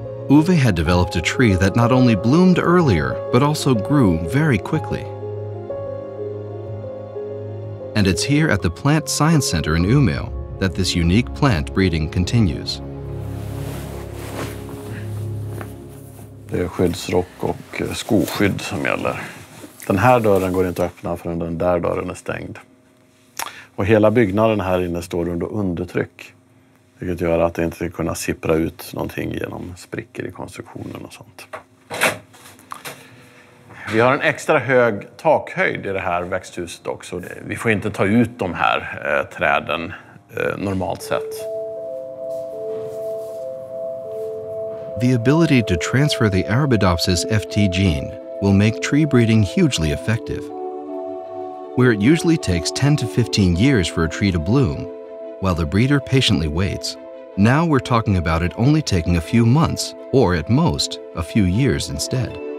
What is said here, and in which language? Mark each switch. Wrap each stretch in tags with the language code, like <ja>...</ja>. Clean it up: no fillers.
<en>Ove had developed a tree that not only bloomed earlier, but also grew very quickly. And it's here at the Plant Science Center in Umeå that this unique plant breeding continues.</en> <sv>Det är skyddsrock och skoskydd som gäller. den här dörren går inte att öppna förrän den där dörren är stängd. Och hela byggnaden här inne står under undertryck. Vilket gör att det inte ska kunna sippra ut någonting genom sprickor i konstruktionen och sånt. Vi har en extra hög takhöjd i det här växthuset också. Vi får inte ta ut de här träden normalt sett.</sv> <en>The ability to transfer the Arabidopsis FT gene will make tree breeding hugely effective. Where it usually takes 10 to 15 years for a tree to bloom, while the breeder patiently waits, now we're talking about it only taking a few months, or at most, a few years instead.</en>